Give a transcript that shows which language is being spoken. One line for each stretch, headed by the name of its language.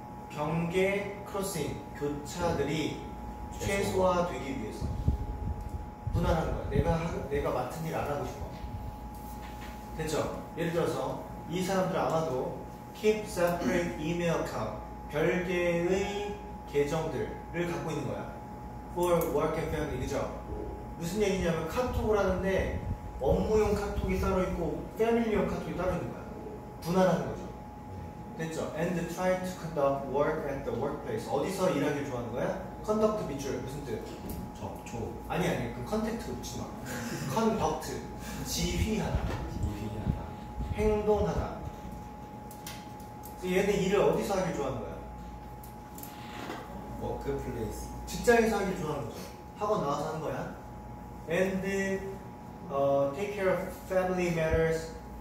Korean: 경계 크로싱 교차들이 최소화되기 위해서 분할하는 거야. 내가 맡은 일 안 하고 싶어. 됐죠? 예를 들어서 이 사람들 아마도
English: keep separate email account
Korean: 별개의 계정들을 갖고 있는 거야.
English: for work and family
Korean: 그죠? 무슨 얘기냐면 카톡을 하는데 업무용 카톡이 따로 있고 패밀리용 카톡이 따로 있는 거야. 분할하는 거죠. 됐죠?
English: And try to conduct work at the workplace.
Korean: 어디서 일하길 좋아하는 거야? Conduct 밑줄 무슨 뜻? 접촉. 아니 그 컨택트 붙지 마. Conduct 지휘하다. 지휘하다. 행동하다. 얘네 일을 어디서 하길 좋아하는 거야?
English: Workplace.
Korean: 직장에서 하길 좋아하는 거야. 학원 나와서 하는 거야.
English: And take care of family matters.